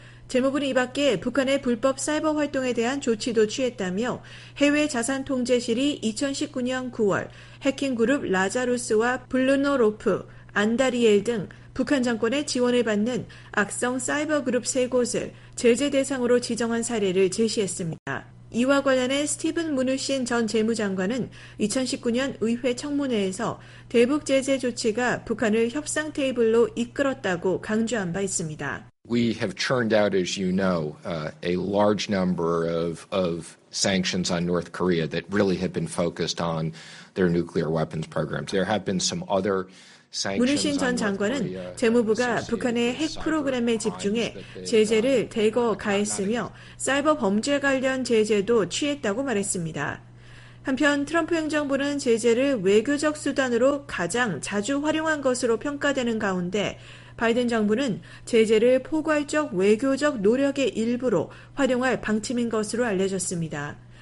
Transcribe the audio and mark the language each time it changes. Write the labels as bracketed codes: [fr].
[ko] 재무부는 이밖에 북한의 불법 사이버 활동에 대한 조치도 취했다며 해외 자산 통제실이 2019년 9월 해킹 그룹 라자루스와 블루노로프, 안다리엘 등 북한 정권의 지원을 받는 악성 사이버 그룹 3곳을 제재 대상으로 지정한 사례를 제시했습니다. 이와 관련해 스티븐 무누신 전 재무장관은 2019년 의회 청문회에서 대북 제재 조치가 북한을 협상 테이블로 이끌었다고 강조한 바 있습니다. [en] We have churned out, as you know, a large number of sanctions on North Korea that really have been focused on their nuclear weapons programs. There have been some other [ko] 문우신 전 장관은 재무부가 북한의 핵 프로그램에 집중해 제재를 대거 가했으며 사이버 범죄 관련 제재도 취했다고 말했습니다. 한편 트럼프 행정부는 제재를 외교적 수단으로 가장 자주 활용한 것으로 평가되는 가운데 바이든 정부는 제재를 포괄적 외교적 노력의 일부로 활용할 방침인 것으로 알려졌습니다.